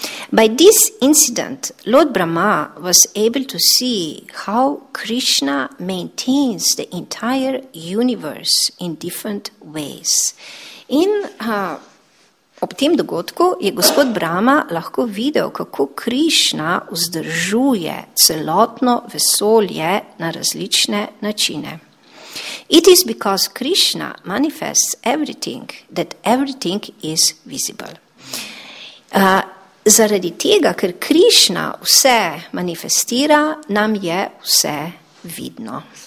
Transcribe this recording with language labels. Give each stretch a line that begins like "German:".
English: By this incident, Lord Brahma was able to see how Krishna maintains the entire universe in different ways.
Slovenian: In ob tem dogodku je gospod Brahma lahko videl, kako Krishna vzdržuje celotno vesolje na različne načine.
English: It is because Krishna manifests everything that everything is visible.
Slovenian: Zaradi tega, ker Krišna vse manifestira, nam je vse vidno.